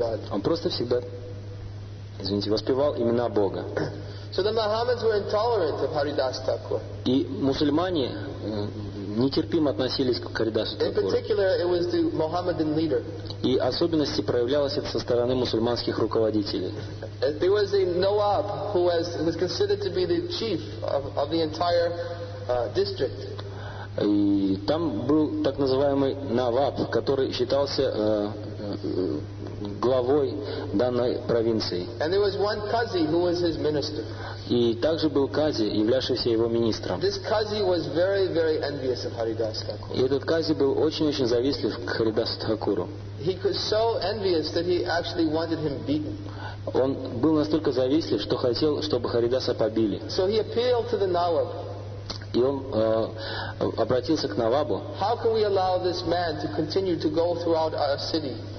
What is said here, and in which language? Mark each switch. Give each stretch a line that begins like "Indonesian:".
Russian: Он просто всегда, воспевал имена Бога.
English: So the Mohammedans were intolerant of Haridas Thakur.
Russian: И мусульмане нетерпимо относились к Харидасу Такуру.
English: In particular, it was the Mohammedan leader.
Russian: И особенности проявлялось это со стороны мусульманских руководителей.
English: There was a Nawab who was considered to be the chief of the entire district.
Russian: И там был так называемый Наваб, который считался главой данной провинции.
English: And there was one qazi who was his minister.
Russian: И также был кази, являвшийся его министром.
English: This qazi was very, very envious of Haridas Thakur.
Russian: И этот кази был очень-очень завистлив к Харидасу Такуру.
English: He was so envious that he actually wanted him beaten.
Russian: Он был настолько завистлив, что хотел, чтобы Харидаса побили.
English: So he appealed to the Nawab.
Russian: И он обратился к Навабу.
English: How can we allow this man to continue to go throughout our city?